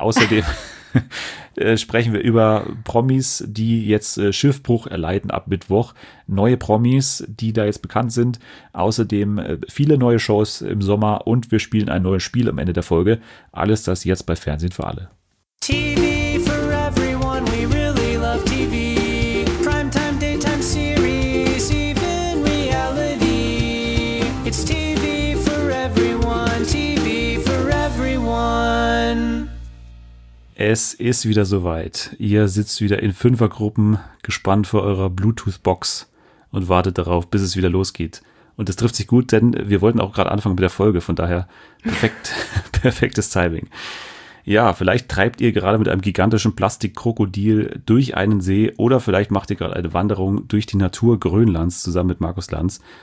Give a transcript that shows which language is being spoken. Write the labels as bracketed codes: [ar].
[de] Außerdem sprechen wir über Promis, die jetzt Schiffbruch erleiden ab Mittwoch. Neue Promis, die da jetzt bekannt sind. Außerdem viele neue Shows im Sommer und wir spielen ein neues Spiel am Ende der Folge. Alles das jetzt bei Fernsehen für alle. [en] TV for everyone, we really love TV. Primetime, daytime series, even reality. It's TV for everyone, TV for everyone. [de] Es ist wieder soweit. Ihr sitzt wieder in Fünfergruppen, gespannt vor eurer Bluetooth-Box und wartet darauf, bis es wieder losgeht. Und das trifft sich gut, denn wir wollten auch gerade anfangen mit der Folge, von daher perfektes Timing. Ja, vielleicht treibt ihr gerade mit einem gigantischen Plastikkrokodil durch einen See oder vielleicht macht ihr gerade eine Wanderung durch die Natur Grönlands zusammen mit Markus Lanz.